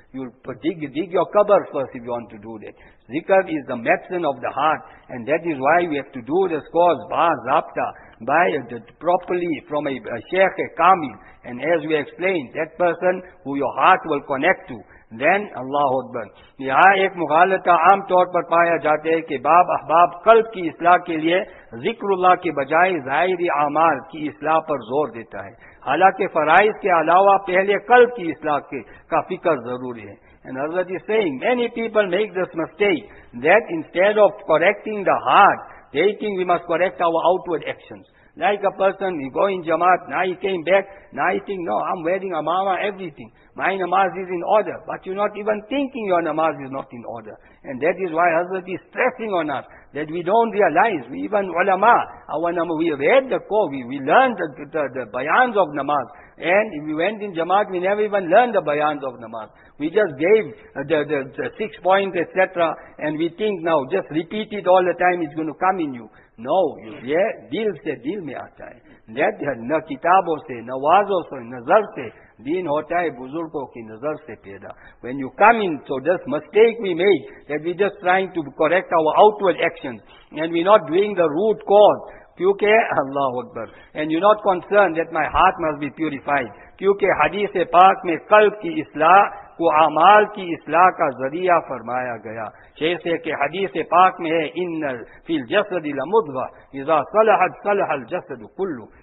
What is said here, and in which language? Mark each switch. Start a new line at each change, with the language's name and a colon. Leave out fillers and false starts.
English: You'll dig your cupboard first if you want to do that. Zikr is the medicine of the heart. And that is why we have to do this cause, zabta, by properly from a sheikh, a kamil. And as we explained, that person who your heart will connect to, then Allahu Akbar.
Urdu: یہاں ایک مغالطہ عام طور پر پایا جاتا ہے کہ باب احباب قلب کی اصلاح کے لیے ذکر اللہ کے بجائے ظاہری اعمال کی اصلاح پر زور دیتا ہے، حالانکہ فرائض کے علاوہ پہلے قلب کی اصلاح کا فکر ضروری ہے.
English: And Hazrat is saying, many people make this mistake that instead of correcting the heart, they think we must correct our outward actions. Like a person, he go in Jamaat, now he came back, now he think, no, I'm wearing amama, everything. My namaz is in order. But you're not even thinking your namaz is not in order. And that is why Hazrat is stressing on us, that we don't realize, we even ulama, our namaz, we read the core, we learned the bayans of namaz. And if we went in Jamaat, we never even learned the bayans of namaz. We just gave the 6 points, etc. And we think now, just repeat it all the time, it's going to come in you.
Urdu: No, یہ دل سے دل میں آتا ہے. نہ کتابوں سے، نہ وعظوں سے، نظر سے. دین ہوتا ہے بزرگوں کی نظر سے پیدا.
English: When you come in, so this mistake we make, that we just trying to correct our outward actions, and we not doing the root cause.
Urdu: کیونکہ اللہ اکبر.
English: And you not concerned that my heart must be purified.
Urdu: کیونکہ حدیث پاک میں قلب کی اصلاح کو اعمال کی اصلاح کا ذریعہ فرمایا گیا. جیسے کہ حدیث پاک میں ہے،
Arabic: ان فی الجسد لمضغہ اذا صلحت صلح الجسد کلو.